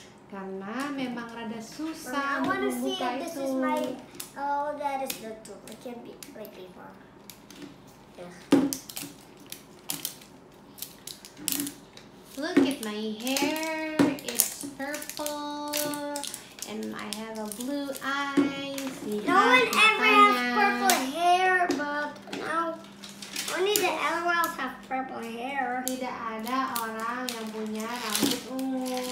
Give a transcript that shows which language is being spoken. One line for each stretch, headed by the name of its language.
Indonesian: Karena memang rada susah untuk membuka itu.
English: I want to see if this is my... Oh, that is the tool. It can't be like before. Look at my hair. It's purple. And I have a blue eye. See, no one ever has purple hair, but now only the LOLs have purple hair.
Indonesian: Tidak ada orang yang punya rambut ungu.